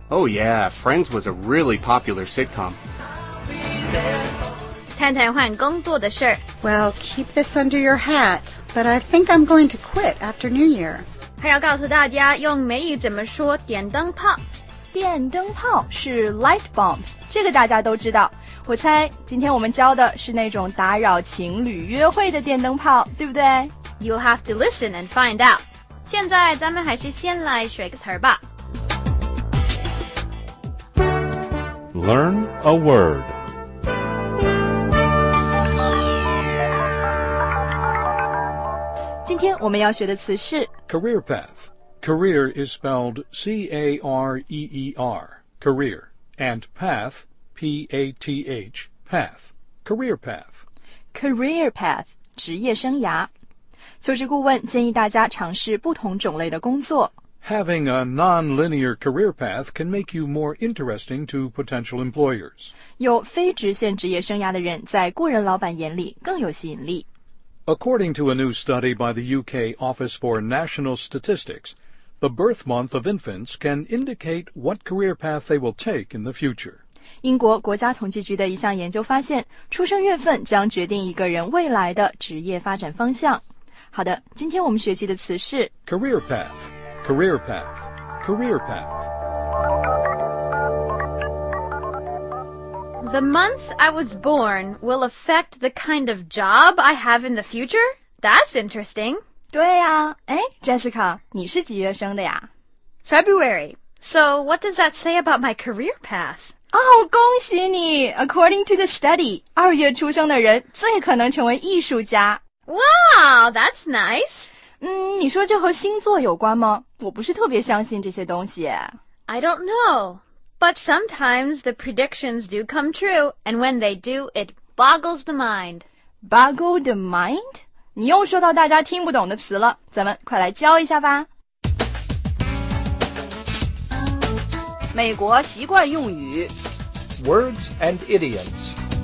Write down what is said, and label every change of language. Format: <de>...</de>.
<en>Oh yeah, Friends was a really popular sitcom。</en> <zh>谈谈换工作的事。</zh> <en>Well, keep this under your hat, but I think I'm going to quit after New Year.</en> <zh>还要告诉大家用美语怎么说电灯泡。电灯泡是 light bulb, 这个大家都知道。我猜今天我们教的是那种打扰情侣约会的电灯泡，对不对？</zh> <en>You'll have to listen and find out.</en> <zh>现在咱们还是先来学个词吧。</zh> <en>Learn a word.</en> <zh>今天我们要学的词是</zh> <en>career path. Career is spelled C-A-R-E-E-R, career, and path, P-A-T-H, path, career path.</en> <zh>Career path, 职业生涯。求职顾问建议大家尝试不同种类的工作。</zh> <en>Having a non-linear career path can make you more interesting to potential employers.</en> <zh>有非直线职业生涯的人在雇人老板眼里更有吸引力。</zh> <en>According to a new study by the UK Office for National Statistics, the birth month of infants can indicate what career path they will take in the future.</en> <zh>英国国家统计局的一项研究发现，出生月份将决定一个人未来的职业发展方向。好的，今天我们学习的词是</zh> <en>career path, career path, career path. The month I was born will affect the kind of job I have in the future? That's interesting.</en> <zh>对啊，哎 ,Jessica, 你是几月生的呀？</zh> <en>February. So what does that say about my career path?</en> <zh>哦，恭喜你。</zh> <en>According to the study,</en> <zh>二月出生的人最可能成为艺术家。</zh> <en>Wow, that's nice.</en> <zh>你说这和星座有关吗？我不是特别相信这些东西。</zh> <en>I don't know. But sometimes the predictions do come true, and when they do, it boggles the mind. Boggle the mind?</en> <zh>你又说到大家听不懂的词了，咱们快来教一下吧。美国习惯用语。</zh> <en>Words and idioms.</en>